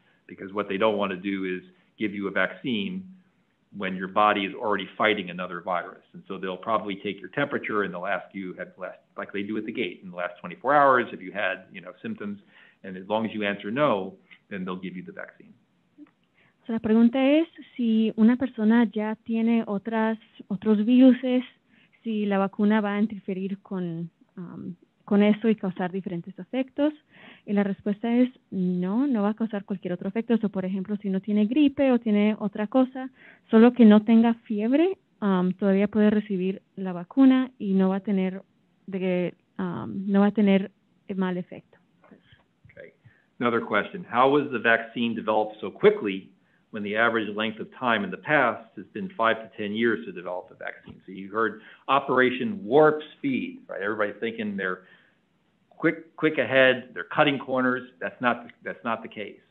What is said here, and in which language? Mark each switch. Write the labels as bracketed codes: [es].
[en] Because what they don't want to do is give you a vaccine when your body is already fighting another virus. And so they'll probably take your temperature and they'll ask you, like they do at the gate, in the last 24 hours, have you had symptoms? And as long as you answer no, then they'll give you the vaccine. [es] So la pregunta es si una persona ya tiene otros viruses, si la vacuna va a interferir con eso y causar diferentes efectos. Y la respuesta es no va a causar cualquier otro efecto. So, por ejemplo, si no tiene gripe o tiene otra cosa, solo que no tenga fiebre, todavía puede recibir la vacuna y no va a tener mal efecto. [en] Okay. Another question. How was the vaccine developed so quickly, when the average length of time in the past has been 5 to 10 years to develop a vaccine? So you heard Operation Warp Speed, right? Everybody thinking they're quick ahead, they're cutting corners. That's not the case.